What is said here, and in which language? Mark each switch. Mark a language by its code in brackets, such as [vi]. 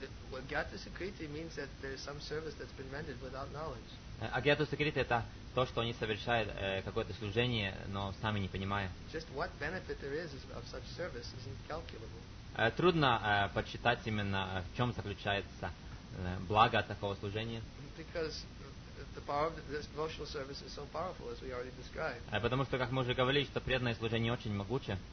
[en] Agyata sukriti means that there's some service that's been rendered without knowledge. [ru] Агьято секрет — это то, что они совершают какое-то служение, но сами не понимая. [en] Just what benefit there is of such service is incalculable. [ru] Трудно подсчитать именно, в чем заключается благо от такого служения. [en] Because the power of this devotional service is so powerful, as we already described. [ru] Потому что, как мы уже говорили, что преданное служение очень могуче.